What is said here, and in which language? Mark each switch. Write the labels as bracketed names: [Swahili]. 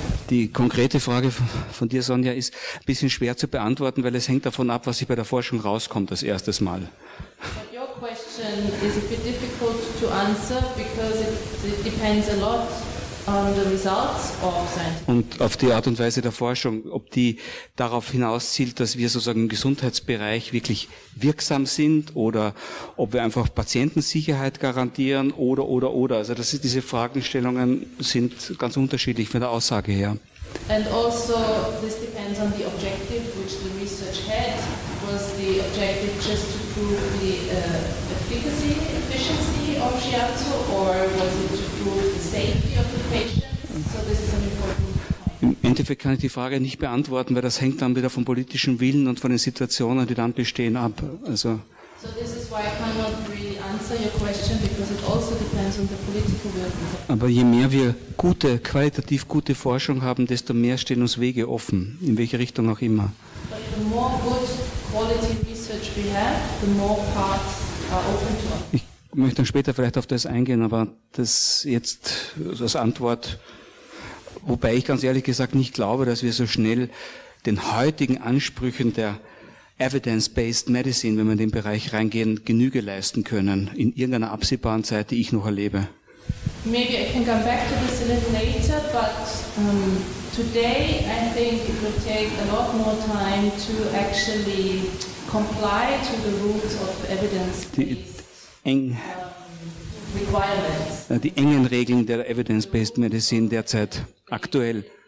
[German] die konkrete Frage von dir, Sonja, ist ein bisschen schwer zu beantworten, weil es hängt davon ab, was sich bei der Forschung rauskommt, das erste Mal. [English] But your question is a bit difficult to answer because it depends a lot on the results of science. [German] Und auf die Art und Weise der Forschung, ob die darauf hinauszielt, dass wir sozusagen im Gesundheitsbereich wirklich wirksam sind oder ob wir einfach Patientensicherheit garantieren oder. Also das ist, diese Fragestellungen sind ganz unterschiedlich von der Aussage her. [English] And also this depends on the objective which the research had. Was the objective just to prove the efficacy of Shiatsu or was it to prove the safety of the patients? So this is an important. [German] Im Endeffekt kann ich die Frage nicht beantworten, weil das hängt dann wieder vom politischen Willen und von den Situationen, die dann bestehen, ab. Also [English] so this is why I cannot really answer your question, because it also depends on the political will. [German] Aber je mehr wir gute, qualitativ gute Forschung haben, desto mehr stehen uns Wege offen, in welche Richtung auch immer. [English] But the more good quality research we have, the more parts are open to us. [German] Ich möchte dann später vielleicht auf das eingehen, aber das jetzt als Antwort. Wobei ich ganz ehrlich gesagt nicht glaube, dass wir so schnell den heutigen Ansprüchen der Evidence-Based Medicine, wenn wir in den Bereich reingehen, Genüge leisten können, in irgendeiner absehbaren Zeit, die ich noch erlebe. [English] Maybe I can come back to this a little later, but today I think it will take a lot more time to actually comply to the rules of evidence-based requirements. [German] Die engen Regeln der Evidence-Based Medicine derzeit aktuell.